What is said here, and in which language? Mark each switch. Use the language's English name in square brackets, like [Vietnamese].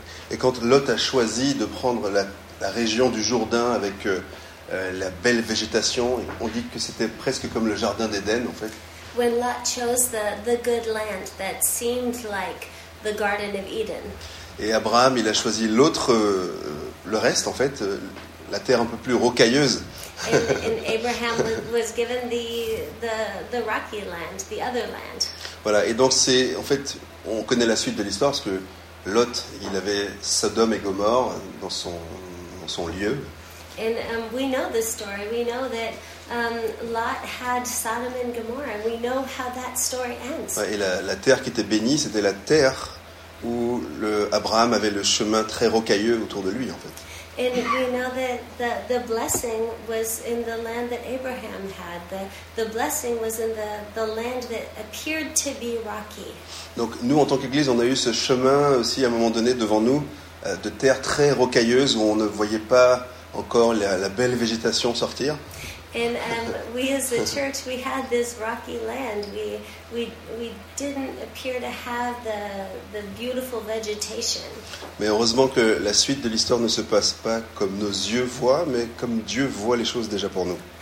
[French] Et quand Lot a choisi de prendre la région du Jourdain avec la belle végétation, on dit que c'était presque comme le jardin d'Éden en fait. [English] When Lot chose the good land that seemed like the Garden of Eden. [French] Et Abraham, il a choisi l'autre, le reste en fait, la terre un peu plus rocailleuse. [English] And Abraham was given the rocky land, the other land. [French] Voilà, et donc c'est, en fait, on connaît la suite de l'histoire parce que Lot, il avait Sodome et Gomorre dans son lieu. [English] And we know the story. We know that Lot had Sodom and Gomorrah. And we know how that story ends. [French] Ouais, et la terre qui était bénie, c'était la terre où Abraham avait le chemin très rocailleux autour de lui, en fait. [English] And we know that the blessing was in the land that Abraham had. The blessing was in the land that appeared to be rocky. [French] Donc nous, en tant qu'Église, on a eu ce chemin aussi à un moment donné devant nous de terre très rocailleuse où on ne voyait pas encore la belle végétation sortir. [English] And we as a church, we had this rocky land. We didn't appear to have the beautiful vegetation. [French] Mais heureusement que la suite de l'histoire ne se passe pas comme nos yeux voient, mais comme Dieu voit les choses déjà pour nous.